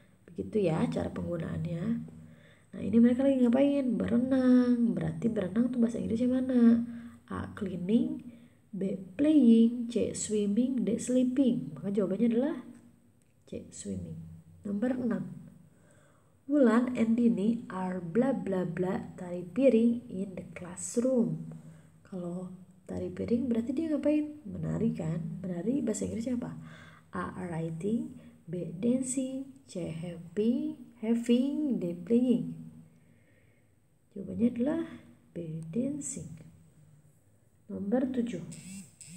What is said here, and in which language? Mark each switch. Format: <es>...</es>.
<id>Begitu ya cara penggunaannya. Nah, ini mereka lagi ngapain? Berenang. Berarti berenang tuh bahasa Inggrisnya mana?</id> <en>A cleaning, B playing, C swimming, D sleeping.</en> <id>Maka jawabannya adalah C swimming. Nomor 6.</id> <en>Wulan and Dini are bla bla bla tari piring in the classroom.</en> <id>Kalau tari piring berarti dia ngapain? Menari kan? Menari bahasa Inggrisnya apa?</id> <en>A writing, B dancing, C having, D playing.</en> <id>Jawabannya adalah B dancing. Nomor 7.</id>